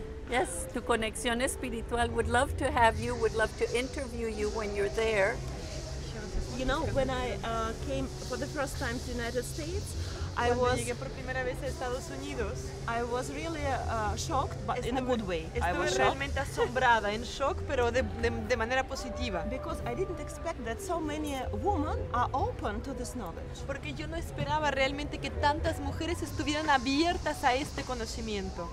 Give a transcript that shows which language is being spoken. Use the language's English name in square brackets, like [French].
[English] Yes, to Conexión Espiritual, would love to have you, would love to interview you when you're there. You know, when I came for the first time to the United States, I was really shocked, but in a good way. I was [Spanish] realmente asombrada, en shock, pero de manera positiva. [English] Because I didn't expect that so many women are open to this knowledge. [Spanish] Porque yo no esperaba realmente que tantas mujeres estuvieran abiertas a este conocimiento.